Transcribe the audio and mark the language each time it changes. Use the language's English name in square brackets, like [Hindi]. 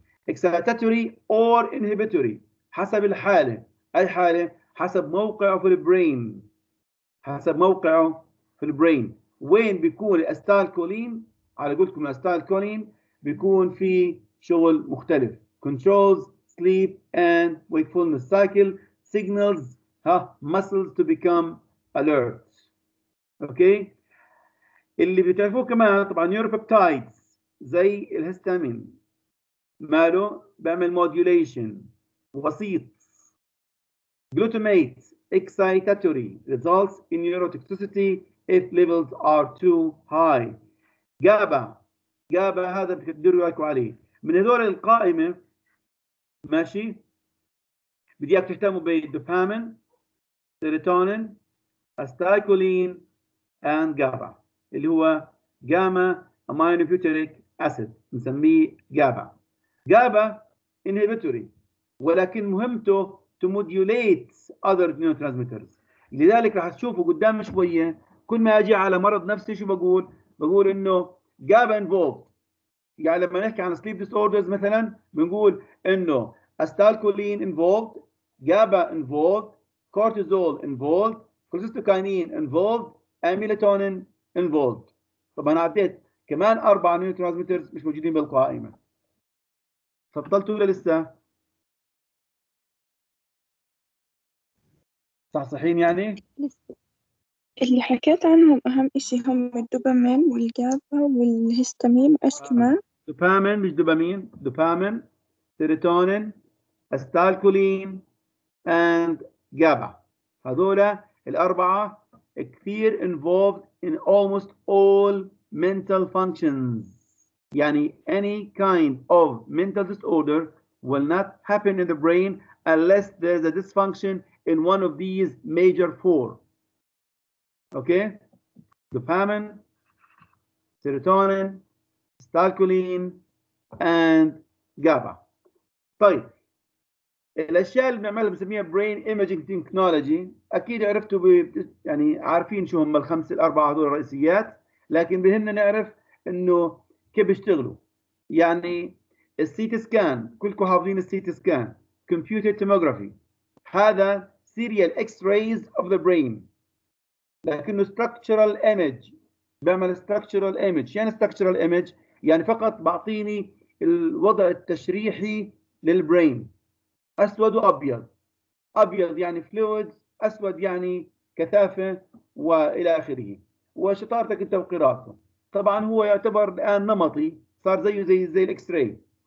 [English] Excitatory or inhibitory. حسب الحالة. [Arabic] أي حالة؟ حسب موقعه في البرين. حسب موقعه في البرين. وين بيكون الاستالكولين؟ على قولكم الاستالكولين بيكون في شغل مختلف. [English] Controls sleep and wakefulness cycle. Signals muscles to become alert. [Arabic] اوكي. اللي بتعرفوه كمان طبعا neuropeptides زي الهستامين. ماله؟ بعمل modulation. [English] وسيط. Glutamate excitatory. Results in neurotoxicity. If levels are too high. [Arabic] GABA هذا بتقدر يواكوا عليه. من هذول القائمة ماشي بديك تهتموا بالدوبامين، سيروتونين، أستايكولين and GABA اللي هو جاما أمينوبيوتريك أسيد نسميه GABA. [English] GABA inhibitory ولكن مهمته to modulate other neurotransmitters. [Arabic] لذلك راح تشوفوا قدام شوية كل ما أجي على مرض نفسي شو بقول؟ بقول إنه GABA involved. [English] يعني لما نحكي عن sleep disorders مثلاً بنقول إنه acetylcholine involved, GABA involved, cortisol involved, cholecystokinin involved, melatonin involved. [Arabic] طبعاً عديت كمان أربعة neurotransmitters مش موجودين بالقائمة. فضلتوا ولا لسه؟ صحيحين يعني؟ اللي حكيت عنهم أهم إشي هم الدوبامين والجابا والهستامين وإيش كمان؟ دوبامين مش دوبامين، دوبامين، سيروتونين، أستالكولين، and جابا. [English] هذولا الأربعة كثير involved in almost all mental functions. يعني any kind of mental disorder will not happen in the brain unless there's a dysfunction in one of these major four. Okay, dopamine, serotonin, acetylcholine, and GABA. [Arabic] طيب الأشياء اللي بنعملها بنسميها brain imaging technology. أكيد عرفتوا يعني عارفين شو هم الخمس الأربعة هذول الرئيسيات، لكن بهمنا نعرف إنه كيف بيشتغلوا. [English] يعني CT scan كلكم حافظين CT scan، computer tomography هذا serial X-rays of the brain. لكنه structural image، بعمل structural image. [Arabic] يعني structural image يعني فقط بعطيني الوضع التشريحي للبرين، أسود وأبيض. أبيض يعني fluid، أسود يعني كثافة وإلى آخره، وشطارتك أنت وقراءته. طبعا هو يعتبر الآن نمطي، صار زيه زي الإكس راي.